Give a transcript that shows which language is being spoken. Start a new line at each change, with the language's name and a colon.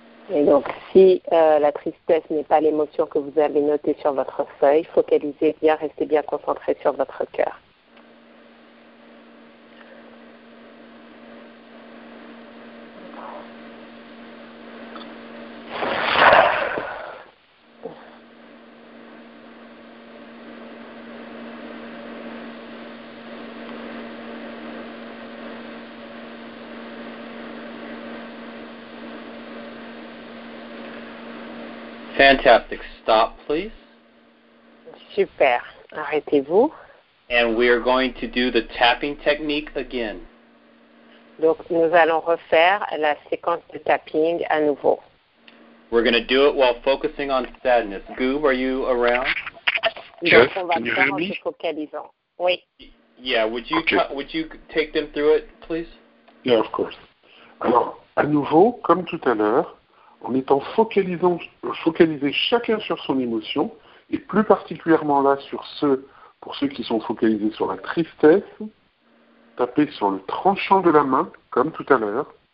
French: Et donc, si la tristesse n'est pas l'émotion que vous avez notée sur votre feuille, focalisez bien, restez bien concentré sur votre cœur.
English: Fantastic. Stop, please.
French: Super. Arrêtez-vous.
English: And we are going to do the tapping technique again.
French: Donc, nous allons refaire la séquence de tapping à nouveau.
English: We're going to do it while focusing on sadness. Goob, are you around? Yes.
French: On va
English: can you hear me?
French: Focalisant. Oui.
English: Yeah, would you take them through it, please? Yeah, of course.
French: Alors, à nouveau, comme tout à l'heure, en étant focalisé chacun sur son émotion, et plus particulièrement là sur pour ceux qui sont focalisés sur la tristesse, tapez sur le tranchant de la main, comme tout à l'heure.